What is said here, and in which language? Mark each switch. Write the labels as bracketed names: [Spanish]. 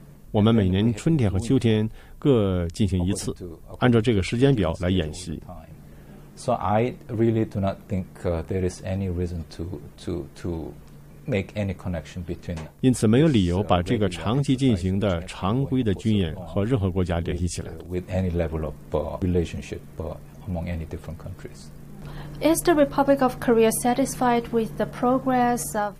[Chinese] 我们每年春天和秋天各进行一次，按照这个时间表来演习。 [English] So I really do not think there is any reason to make any connection between. [Chinese] 因此，没有理由把这个长期进行的常规的军演和任何国家联系起来。 [English] With any level of relationship among any different countries. Is the Republic of Korea satisfied with the progress of?